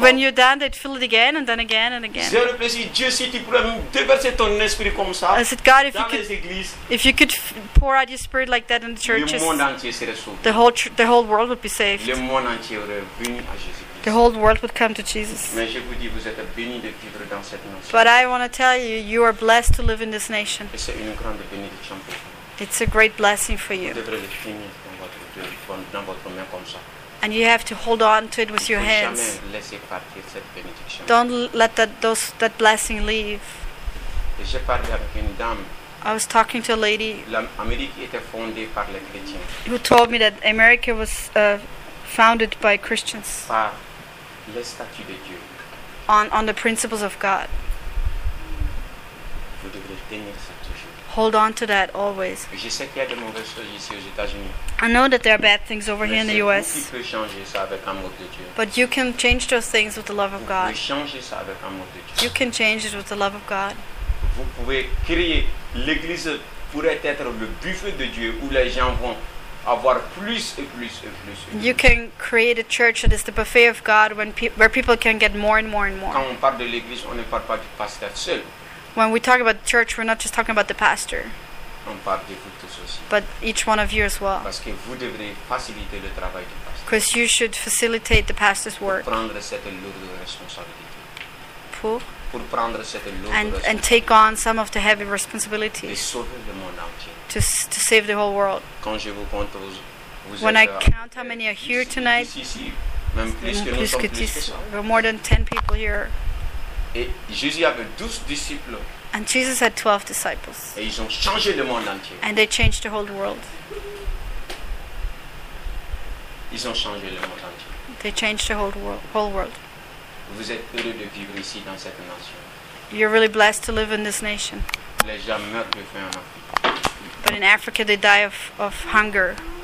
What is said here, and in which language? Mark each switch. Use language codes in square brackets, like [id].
[en] when you're done, they'd fill it again and then again and again. [fr] J'ai le plaisir, Dieu, si tu pourrais déverser ton esprit comme ça. [en] I said, God, if you could, [fr] églises, [en] if you could pour out your spirit like that in the churches, [fr] le monde entier serait sauvé. [en] The whole world would be saved. [fr] Le monde entier aurait venu à Jésus. [en] The whole world would come to Jesus. [fr] Mais je vous dis, vous êtes béni de vivre dans cette nation. [en] But I want to tell you, you are blessed to live in this nation. [fr] Et c'est une grande bénédiction pour vous. [en] It's a great blessing for you. [fr] Vous devrez le tenir dans votre main comme ça. [en] And you have to hold on to it with your hands. [fr] Ne jamais laisser partir cette bénédiction. [en] Don't let that blessing leave. [fr] Et j'ai parlé avec une dame. [en] I was talking to a lady. [fr] L'Amérique était fondée par les chrétiens. [en] Who told me that America was founded by Christians. [fr] Par les statuts de Dieu. [en] On the principles of God. [fr] Vous devrez tenir ça toujours. [en] Hold on to that always. [fr] Je sais qu'il y a de mauvaises choses ici aux États-Unis. [en] I know that there are bad things over [fr] mais [en] here in the U.S. [fr] Mais vous pouvez changer ça avec l'amour de Dieu. [en] But you can change those things with the love of God. [fr] Vous pouvez changer ça avec l'amour de Dieu. [en] You can change it with the love of God. [fr] Vous pouvez créer l'église pourrait être le buffet de Dieu où les gens vont avoir plus et plus et plus. [en] You can create a church that is the buffet of God where people can get more and more and more. [fr] Quand on parle de l'église, on ne parle pas du pasteur seul. [en] When we talk about the church, we're not just talking about the pastor. [fr] On parle de vous tous aussi. [en] But each one of you as well. [fr] Parce que vous devrez faciliter le travail du pasteur. [en] Because you should facilitate the pastor's work. [fr] Pour prendre cette lourde responsabilité. Pour prendre cette lourde responsabilité. [en] And take on some of the heavy responsibilities. [fr] De sauver le monde entier. [en] To save the whole world. [fr] Quand je vous compte, [en] when I count how many are here tonight, there are more than 10 people here. [fr] Et Jésus avait 12 disciples. [en] And Jesus had 12 disciples. [fr] Et ils ont changé le monde entier. [en] And they changed the whole world. [fr] Ils ont changé le monde entier. [en] They changed the whole world. [fr] Vous êtes heureux de vivre ici dans cette nation. [en] You're really blessed to live in this nation. [fr] Les gens meurent de faim en Afrique. [en] But in Africa, they die of hunger.